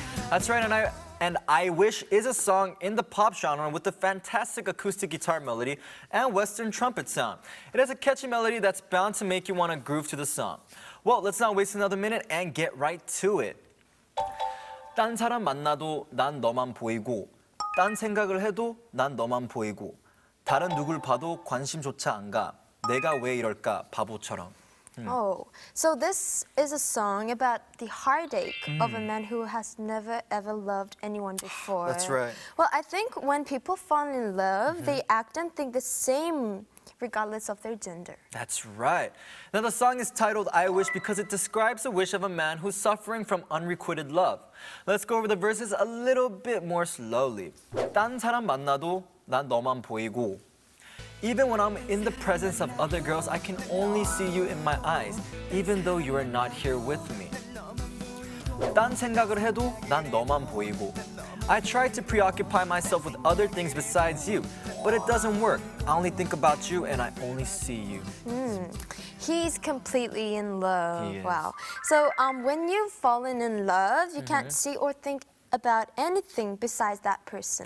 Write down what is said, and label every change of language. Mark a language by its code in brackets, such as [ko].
[en] That's right, and I Wish is a song in the pop genre with a fantastic acoustic guitar melody and Western trumpet sound. It has a catchy melody that's bound to make you want to groove to the song. Well, let's not waste another minute and get right to it. [ko] 딴 사람 만나도 난 너만 보이고 딴 생각을 해도 난 너만 보이고 다른 누굴 봐도 관심조차 안 가 내가 왜 이럴까 바보처럼. [en] Oh, so this is a song about the heartache of a man who has never ever loved anyone before. That's right. Well, I think when people fall in love, they act and think the same regardless of their gender. That's right. Now, the song is titled I Wish because it describes the wish of a man who's suffering from unrequited love. Let's go over the verses a little bit more slowly. [ko] 딴 사람 만나도 난 너만 보이고 [en] Even when I'm in the presence of other girls, I can only see you in my eyes, even though you are not here with me. [ko] 딴 생각을 해도 난 너만 보이고. [en] I try to preoccupy myself with other things besides you, but it doesn't work. I only think about you and I only see you. He's completely in love. Wow. So when you've fallen in love, you can't see or think about anything besides that person.